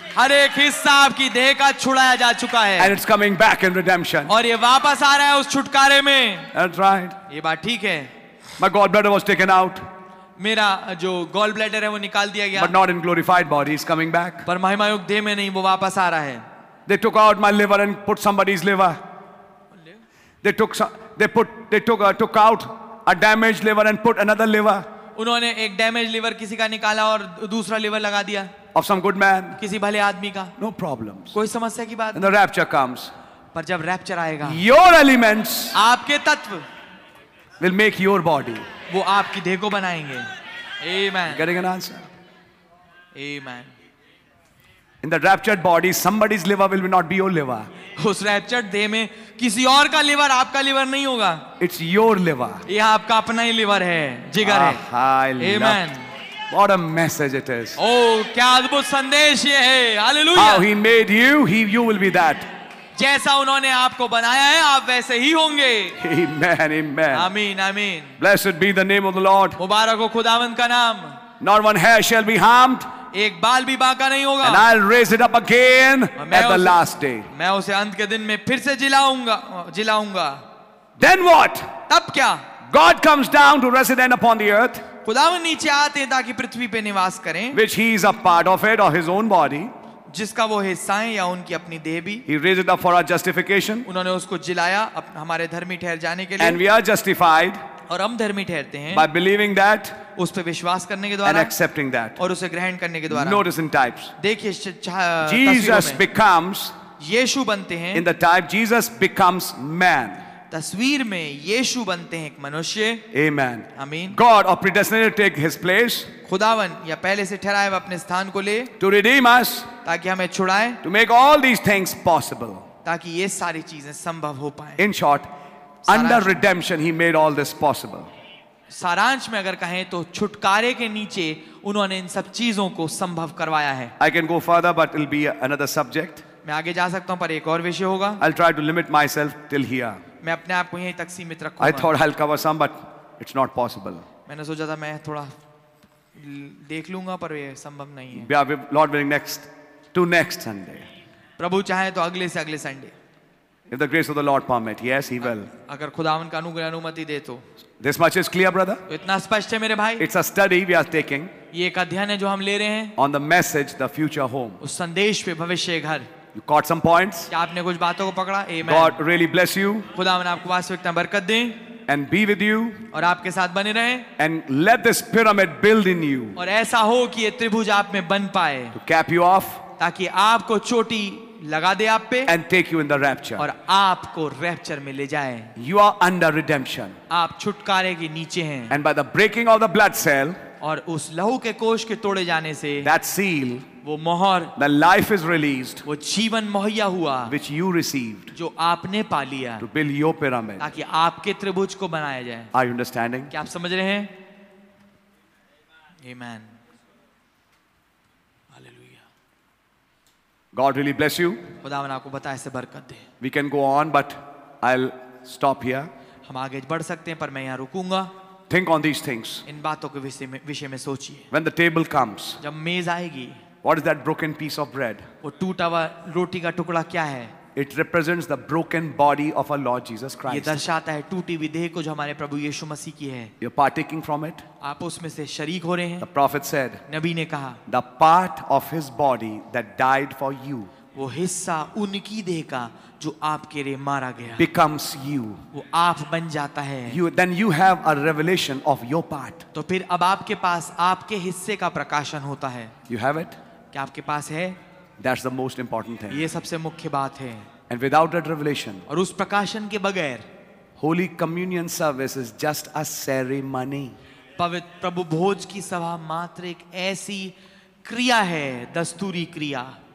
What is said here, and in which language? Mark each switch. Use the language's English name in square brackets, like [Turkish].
[Hindi] हर एक हिस्सा आपकी देह का छुड़ाया जा चुका है [English] and it's coming back in redemption [Hindi] और ये वापस आ रहा है उस छुटकारे में [English] that's right [Hindi] ये बात ठीक है [English] my gall bladder was taken out [Hindi] मेरा जो गॉल ब्लैडर है वो निकाल दिया गया [English] but not in glorified body is coming back [Hindi] पर महिमा युक्त देह में नहीं वो वापस आ रहा है [English] They took out my liver and put somebody's liver. They took took out a damaged liver and put another liver. [Hindi] उन्होंने एक damaged liver किसी का निकाला और दूसरा liver लगा दिया. [English] Of some good man. [Hindi] किसी भले आदमी का. [English] No problems. [Hindi] कोई समस्या की बात. [English] And the rapture comes. [Hindi] पर जब rapture आएगा. [English] Your elements. [Hindi] आपके तत्व. [English] Will make your body. [Hindi] वो आपकी देह को बनाएंगे. Amen. [English] Getting an answer. Amen. In the raptured body, somebody's liver will not be your liver. [Hindi] उस raptured देह में किसी और का liver आपका liver नहीं होगा. [English] It's your liver. [Hindi] ये आपका अपना ही liver है, जिगर है. [English] Amen. What a message it is. [Hindi] Oh, क्या अद्भुत संदेश ये है. [English] Hallelujah. How he made you, you will be that. [Hindi] जैसा उन्होंने आपको बनाया है, आप वैसे ही होंगे. [English] Amen. Amen. Amen. Amen. Blessed be the name of the Lord. [Hindi] मुबारक हो खुदावंद का नाम. [English] Not one hair shall be harmed. [Hindi] एक बाल भी बाका नहीं होगा [English] And I'll raise it up again at the last day. [Hindi] मैं उसे अंत के दिन में फिर से जिलाऊंगा [English] Then what? [Hindi] तब क्या? [English] God comes down to resident upon the earth. [Hindi] खुदावन नीचे आते हैं ताकि पृथ्वी पे निवास करें [English] Which he is a part of it or his own body. [Hindi] जिसका वो हिस्सा है या उनकी अपनी देह भी [English] He raised it up for our justification. [Hindi] उन्होंने उसको जिलाया हमारे धर्मी ठहर जाने के लिए [English] And we are justified. [Hindi] और हम धर्मी ठहरते हैं [English] By believing that, [Hindi] उस पर विश्वास करने के द्वारा [English] and accepting that. [Hindi] और उसे ग्रहण करने के द्वारा [English] Notice in types. [Hindi] देखिए [English] Jesus becomes [Hindi] यीशु बनते हैं [English] in the type Jesus becomes man. [Hindi] तस्वीर में यीशु बनते हैं एक मनुष्य [English] Amen. Amen. God or predestinated take his place. [Hindi] खुदावन या पहले से ठहराए अपने स्थान को ले [English] To redeem us. [Hindi] ताकि हमें छुड़ाए [English] To make all these things possible. [Hindi] ताकि ये सारी चीजें संभव हो पाए [English] In short, under redemption he made all this possible. [Hindi] सारांश में अगर कहें तो छुटकारे के नीचे उन्होंने इन सब चीजों को संभव करवाया है [English] I can go further, but it'll be another subject. [Hindi] मैं आगे जा सकता हूं पर एक और विषय होगा [English] I'll try to limit myself till here. [Hindi] मैं अपने आप को यहीं तक सीमित रखूंगा [English] I thought I'll cover some, but it's not possible. [Hindi] मैंने सोचा था मैं थोड़ा देख लूंगा पर यह संभव नहीं है [English] Lord willing, next Sunday. [Hindi] प्रभु चाहे तो अगले Sunday [English] If the grace of the Lord permit, yes, He will. [Hindi] अगर खुदावन का अनुग्रह अनुमति दे तो. [English] This much is clear, brother. [Hindi] तो इतना स्पष्ट है मेरे भाई. [English] It's a study we are taking. [Hindi] ये एक अध्ययन है जो हम ले रहे हैं. [English] On the message, the future home. [Hindi] उस संदेश पे भविष्य घर. [English] You caught some points. [Hindi] क्या आपने कुछ बातों को पकड़ा? [English] Amen. God really bless you. [Hindi] खुदावन आपको वास्तविकता बरकत दे. [English] And be with you. [Hindi] और आपके साथ बने रहे. [English] And let this pyramid build in you. [Hindi] और ऐसा हो कि ये त्रिभुज आप में बन पाए. [English] To cap you off. [Hindi] ताकि आपको चोटी लगा दे आप पे [English] and take you in the rapture [Hindi] और आपको रैप्चर में ले जाए [English] you are under redemption [Hindi] आप छुटकारे के नीचे हैं [English] and by the breaking of the blood seal [Hindi] और उस लहू के कोष के तोड़े जाने से [English] that seal [Hindi] वो मोहर [English] the life is released [Hindi] वो जीवन मुहैया हुआ [English] which you received [Hindi] जो आपने पा लिया [English] to build your pyramid [Hindi] ताकि आपके त्रिभुज को बनाया जाए [English] are you understanding [Hindi] क्या आप समझ रहे हैं amen hallelujah [English] God really bless you [Hindi] खुदावन आपको बताए से बरकत दे [English] we can go on but I will stop here [Hindi] हम आगे बढ़ सकते हैं पर मैं यहां रुकूंगा [English] Think on these things. [Hindi] इन बातों के विषय में सोचिए. [English] When the table comes, [Hindi] जब मेज आएगी, [English] what is that broken piece of bread? [Hindi] वो टूटा हुआ रोटी का टुकड़ा क्या है? [English] It represents the broken body of our Lord Jesus Christ. [Hindi] ये दर्शाता है टूटी हुई देह को जो हमारे प्रभु यीशु मसीह की है. [English] You're partaking from it. [Hindi] आप उसमें से शरीक हो रहे हैं. [English] The prophet said. [Hindi] नबी ने कहा. [English] The part of His body that died for you. [Hindi] वो हिस्सा उनकी देह का जो आपके लिए मारा गया [English] becomes you. [Hindi] वो आप बन जाता है [English] you, then you have a revelation of your part. [Hindi] तो फिर अब आपके पास आपके हिस्से का प्रकाशन होता है [English] you have it? [Hindi] क्या आपके पास है [English] That's the most important thing. [Hindi] ये सबसे मुख्य बात है [English] And without that revelation, [Hindi] और उस प्रकाशन के बगैर [English] Holy Communion service is just a ceremony. [Hindi] पवित्र प्रभु भोज की सभा मात्र एक ऐसी क्रिया है दस्तूरी क्रिया